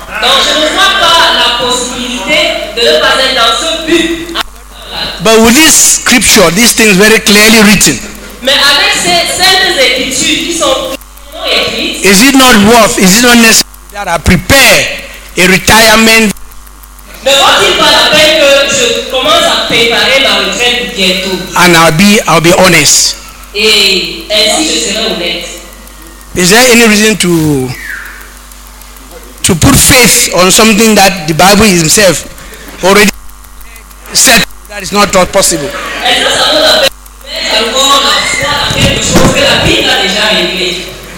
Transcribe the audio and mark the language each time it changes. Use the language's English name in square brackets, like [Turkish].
[French] Donc je ne vois pas la possibilité de ne pas être dans ce but. [English] But with this scripture, these things very clearly written. [French] Mais avec ces saintes écritures qui sont [English] is it not worth, is it not necessary that I prepare a retirement? [French] Ne vaut-il pas la peine que je commence à préparer ma retraite bientôt? [English] And I'll be honest. [French] Et ainsi je serai honnête. [English] Is there any reason to put faith on something that the Bible itself already said that is not possible? [French] Est-ce que ça vaut la peine encore la foi à quelque chose que la Bible a déjà réglé?